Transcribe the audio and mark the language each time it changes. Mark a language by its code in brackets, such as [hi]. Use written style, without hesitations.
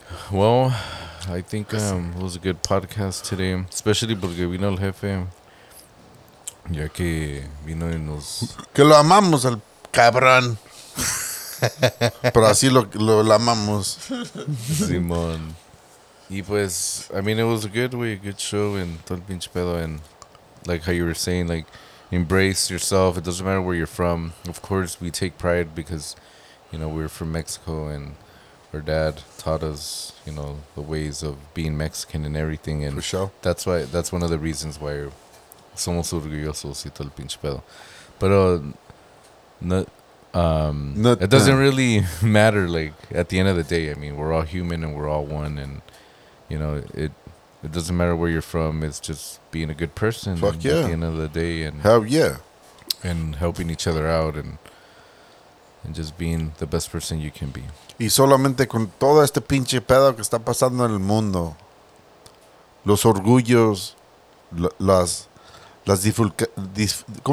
[en] Well, I think it was a good podcast today, especially [es] porque vino el jefe, ya que vino y nos... Que lo amamos al cabrón, pero así lo amamos. Simón. Y pues, [en] I mean, it was a good way, a good show, and [es] todo el pinche pedo, [en] and like how you were saying, like, embrace yourself, it doesn't matter where you're from. Of course, we take pride because, you know, we're from Mexico, and... Her dad taught us, you know, the ways of being Mexican and everything. And for sure. That's why, that's one of the reasons why [es] somos orgullosos y todo el pinche pedo. [en] But it doesn't really matter. Like, at the end of the day, I mean, we're all human and we're all one. And, you know, it doesn't matter where you're from. It's just being a good person. Fuck yeah. At the end of the day. And hell yeah. And helping each other out and just being the best person you can be. [es] Y solamente con todo este pinche pedo que está pasando en el mundo, los orgullos, las dificultades